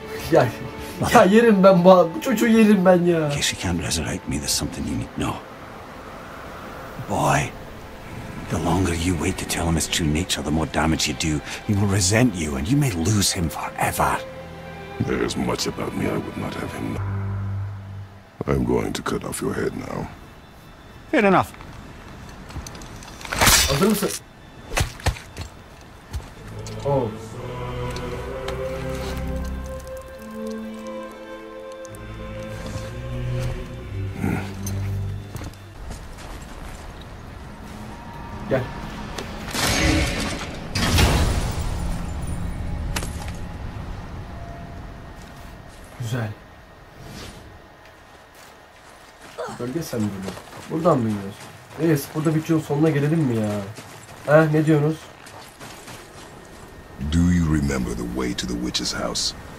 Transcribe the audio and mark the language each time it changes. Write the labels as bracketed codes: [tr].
[tr] Ya, ya yerim ben bu çocuğu yerim ben ya. [en] In case you can't resurrect me, there's something you need to know. Boy, the longer you wait to tell him his true nature, the more damage you do. He will resent you, and you may lose him forever. There is much about me I would not have him. I'm going to cut off your head now. Fair enough. [tr] Hazır mısın? Oh. Güzel. Bölge sen burada. Buradan mı gidiyorsun? Neyse, evet, burada bitiyor, sonuna gelelim mi ya? Heh, ne diyorsunuz? [en] Do you remember the way to the witch's house?